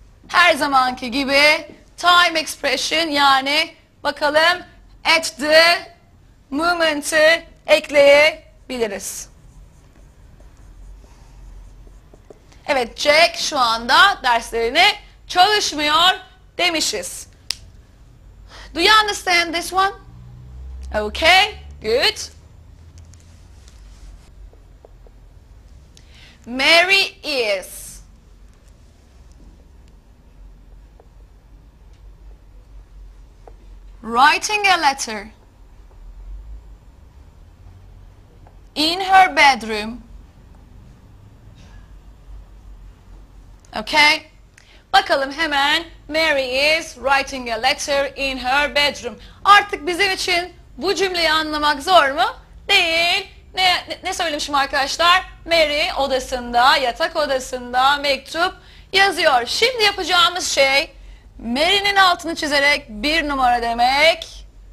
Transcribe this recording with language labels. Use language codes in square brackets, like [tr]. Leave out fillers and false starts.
[tr] Her zamanki gibi time expression, yani bakalım [en] at the moment'ı [tr] ekleyebiliriz. Evet, Jack şu anda derslerini çalışmıyor demişiz. [en] Do you understand this one? Okay, good. Mary is. Writing a letter in her bedroom. [tr] Okay. Bakalım hemen. Mary is writing a letter in her bedroom. Artık bizim için bu cümleyi anlamak zor mu? Değil. Ne söylemişim arkadaşlar? Mary odasında, yatak odasında mektup yazıyor. Şimdi yapacağımız şey Mary'nin altını çizerek bir numara demek.